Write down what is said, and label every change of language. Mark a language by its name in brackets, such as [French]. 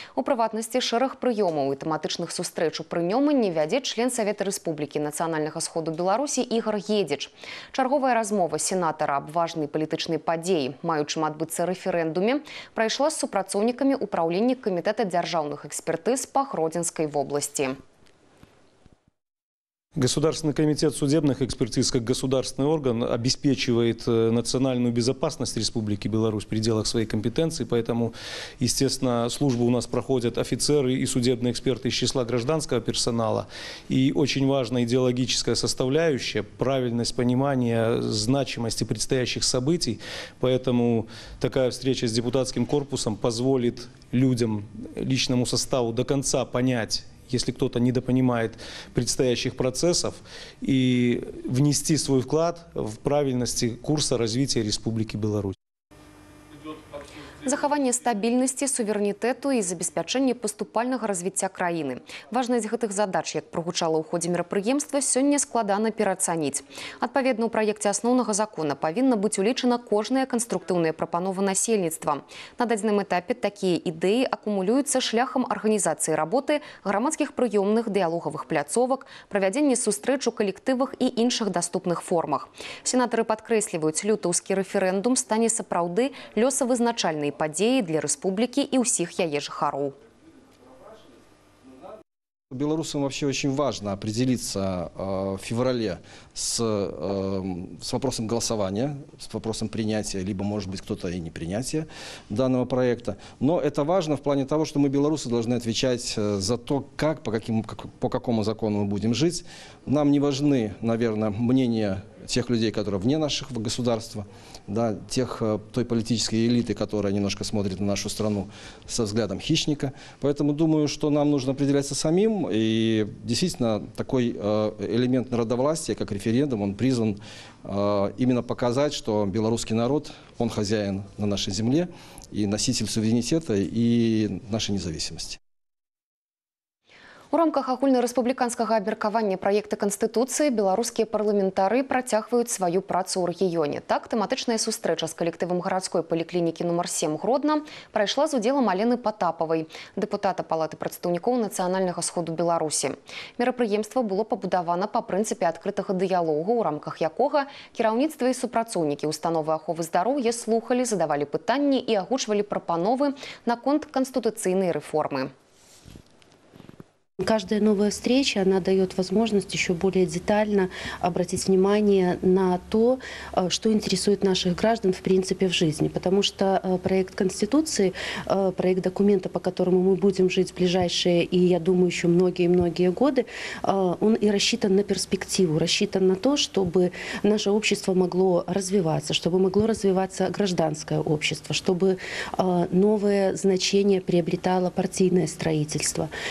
[Belarusian] У прыватнасці, шэраг прыёмаў і тэматычных сустрэч у прынёмані вядзе член Савета Рэспублікі Нацыянальнага сходу Беларусі Ігар Гедзіч. Чарговая размова сенатара аб важнай палітычнай падзеі, маючым адбыцца рэферэндуме, прайшла з супрацоўнікамі ўпраўлення камітэта дзяржаўных экспертыз па Гродзенскай вобласці. [Russian] Государственный комитет судебных экспертиз, как государственный орган, обеспечивает национальную безопасность Республики Беларусь в пределах своей компетенции, поэтому, естественно, службу у нас проходят офицеры и судебные эксперты из числа гражданского персонала. И очень важна идеологическая составляющая, правильность понимания значимости предстоящих событий, поэтому такая встреча с депутатским корпусом позволит людям, личному составу до конца понять, если кто-то недопонимает предстоящих процессов, и внести свой вклад в правильности курса развития Республики Беларусь. [Belarusian] Захаванне стабільнасці, суверэнітэту і забеспячэнне паступальнага развіцця краіны. Важнасць гэтых задач, як прагучала ў ходзе мерапрыемства, сёння складана пераацаніць. Адпаведна, ў праекце асноўнага закона павінна быць улічана кожная канструктыўная прапанова насельніцтва. На дадзеным этапе такія ідэі акумулююцца шляхам арганізацыі работы, грамадскіх прыёмных, дыялогавых пляцовак, правядзення сустрэч у калектывах і іншых даступных формах. Сенатары падкрэсліваюць, лютаўскі рэферэндум стане сапраўды лёсавызначальным падзеі для рэспублікі і ўсіх яе жыхароў. [Russian] Белорусам вообще очень важно определиться в феврале с вопросом голосования, с вопросом принятия, либо, может быть, кто-то и не принятие данного проекта. Но это важно в плане того, что мы, белорусы, должны отвечать за то, как, по какому закону мы будем жить. Нам не важны, наверное, мнения тех людей, которые вне нашего государства, да, той политической элиты, которая немножко смотрит на нашу страну со взглядом хищника. Поэтому думаю, что нам нужно определяться самим. И действительно, такой элемент народовластия, как референдум, он призван именно показать, что белорусский народ, он хозяин на нашей земле и носитель суверенитета и нашей независимости. [Belarusian] У рамках агульнарэспубліканскага абмеркавання праекта Канстытуцыі беларускія парламентары працягваюць сваю працу ў рэгіёне. Так, тэматычная сустрэча з калектывам гарадской паліклінікі нумар 7 Гродна прайшла з удзелам Алены Патапавай, дэпутата Палаты прадстаўнікоў Нацыянальнага сходу Беларусі. Мерапрыемства было пабудавана па прынцыпе адкрытага дыялогу, у рамках якога кіраўніцтва і супрацоўнікі установы аховы здароўя слухалі, задавалі пытанні і агучвалі прапановы наконт канстытуцыйнай рэформы. [Russian] Каждая новая встреча, она дает возможность еще более детально обратить внимание на то, что интересует наших граждан в принципе в жизни. Потому что проект Конституции, проект документа, по которому мы будем жить в ближайшие, и я думаю, еще многие-многие годы, он и рассчитан на перспективу, рассчитан на то, чтобы наше общество могло развиваться, чтобы могло развиваться гражданское общество, чтобы новое значение приобретало партийное строительство.